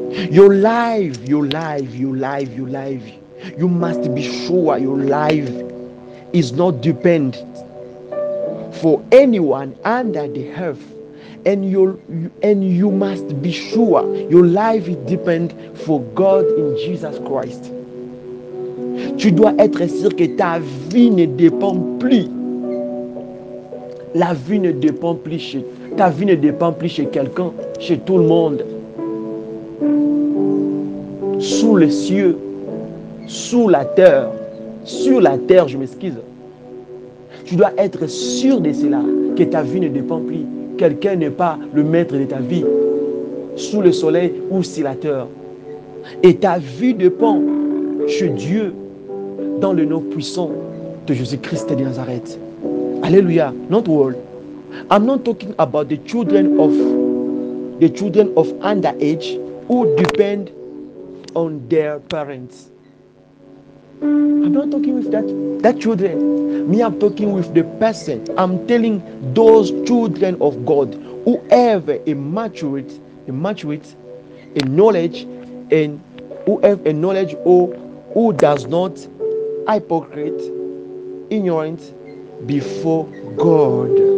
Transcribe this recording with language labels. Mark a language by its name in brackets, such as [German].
[English] Your life, you must be sure your life is not dependent for anyone under the earth. And you must be sure your life is dependent for God in Jesus Christ. [French] Tu dois être sûr que ta vie ne dépend plus. La vie ne dépend plus chez ta vie ne dépend plus chez quelqu'un, chez tout le monde. Sous les cieux, sous la terre, sur la terre, je m'excuse. Tu dois être sûr de cela, que ta vie ne dépend plus. Quelqu'un n'est pas le maître de ta vie, sous le soleil ou sur la terre. Et ta vie dépend chez Dieu, dans le nom puissant de Jésus-Christ de Nazareth. [English] Alléluia. Not all. I'm not talking about the children of underage who depend on their parents. I'm not talking with that children. Me, I'm talking with the person. I'm telling those children of God who have a knowledge or who does not hypocrite, ignorant before God.